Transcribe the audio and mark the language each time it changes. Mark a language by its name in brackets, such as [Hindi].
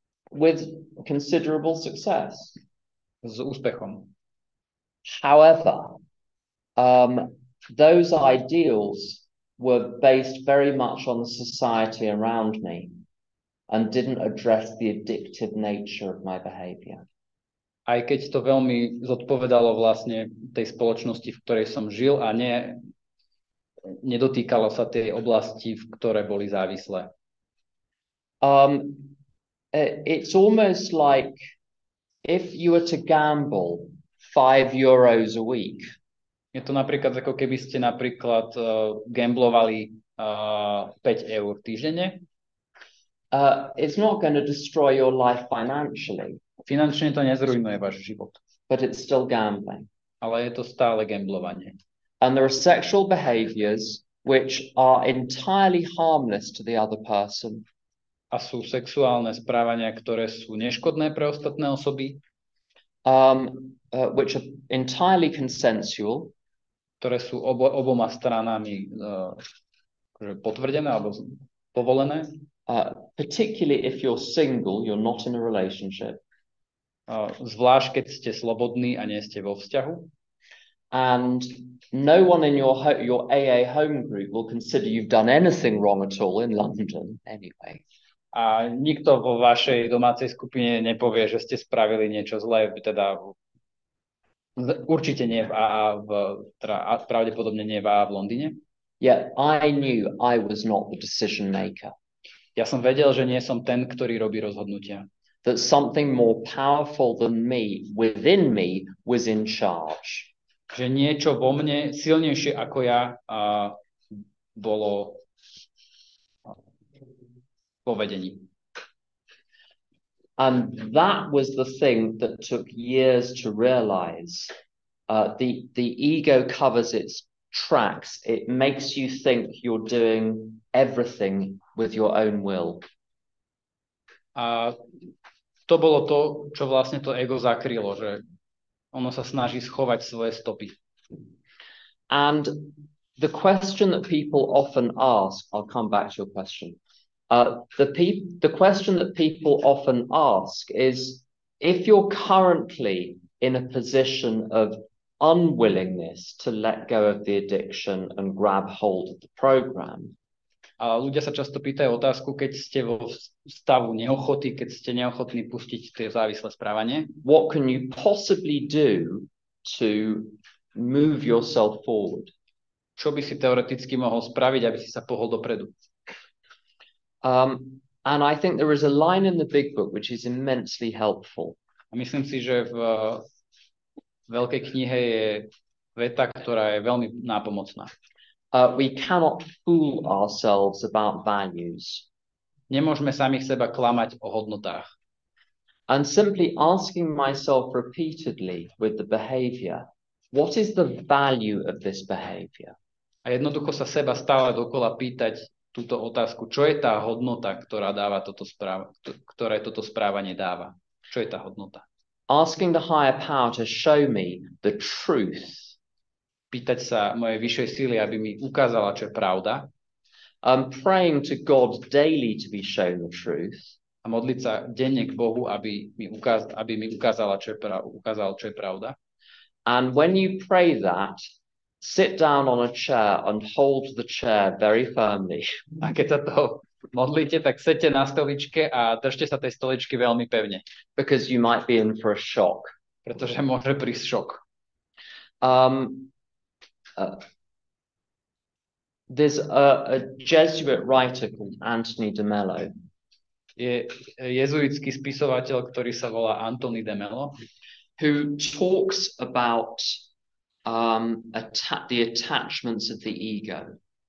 [English] With considerable success. [Slovak] S úspechom. [English] However, those ideals were based very much on the society around me and didn't address the addictive nature of my behavior. [Slovak] Aj keď to veľmi zodpovedalo vlastne tej spoločnosti, v ktorej som žil a nedotýkalo sa tej oblasti, v ktoré boli závislé. [English] It's almost like if you were to gamble 5 euros a week. [Slovak] Je to napríklad ako keby ste napríklad gamblovali 5 eur týždenne. [English] It's not going to destroy your life financially. [Slovak] Finančne to nezrujnuje váš život. [English] But it's still gambling. [Slovak] Ale je to stále gamblovanie. [English] And there are sexual behaviors which are entirely harmless to the other person. [Slovak] A sú sexuálne správania, ktoré sú neškodné pre ostatné osoby. [English] Which are entirely consensual, [Slovak] ktoré sú oboma stranami potvrdené alebo povolené. [English] Particularly if you're single, you're not in a relationship. [Slovak] Zvlášť keď ste slobodní a nie ste vo vzťahu. [English] And no one in your AA home group will consider you've done anything wrong at all in London anyway. [Slovak] A nikto vo vašej domácej skupine nepovie, že ste spravili niečo zlé, teda určite nie v AA, pravdepodobne nie v AA v Londýne. [English] Yeah, I knew I was not the decision maker. [Slovak] Ja som vedel, že nie som ten, ktorý robí rozhodnutia. [English] That something more powerful than me, within me, was in charge. [Slovak] Že niečo vo mne silnejšie ako ja bolo vo vedení. [English] And that was the thing that took years to realize. The ego covers its tracks. It makes you think you're doing everything with your own will. [Slovak] A to bolo to, čo vlastne to ego zakrylo, že ono sa snaží schovať svoje stopy. [English] And the question that people often ask, I'll come back to your question. The question that people often ask is, if you're currently in a position of unwillingness to let go of the addiction and grab hold of the program. [Slovak] A ľudia sa často pýtajú otázku, keď ste vo stavu neochoty, keď ste neochotní pustiť tie závislé správanie. [English] What can you possibly do to move yourself forward. [Slovak] Čo by si teoreticky mohol spraviť, aby si sa pohol dopredu? [English] And I think there is a line in the big book which is immensely helpful. [Slovak] A myslím si, že v veľkej knihe je veta, ktorá je veľmi nápomocná. [English] We cannot fool ourselves about values. [Slovak] Nemôžeme samých seba klamať o hodnotách. [English] And simply asking myself repeatedly with the behavior, what is the value of this behavior? [Slovak] A jednoducho sa seba stále dokola pýtať túto otázku, čo je tá hodnota, ktorá dáva toto ktoré toto správanie dáva. Čo je tá hodnota? [English] Asking the higher power to show me the truth. [Slovak] Pýtať sa mojej vyššej síly, aby mi ukázala, čo je pravda. [English] I'm praying to God daily to be shown the truth. [Slovak] A modliť sa denne k Bohu, aby mi ukázala, ukázal, čo je pravda. [English] And when you pray that, sit down on a chair and hold the chair very firmly. [Slovak] A keď sa to modlíte, tak sedte na stoličke a držte sa tej stoličky veľmi pevne. [English] Because you might be in for a shock. [Slovak] Pretože môže prísť šok. [English] There's a Jesuit writer called Anthony de Mello. [Slovak] Je jezuitský spisovateľ, ktorý sa volá Anthony de Mello, [English] who talks about the attachments of the ego.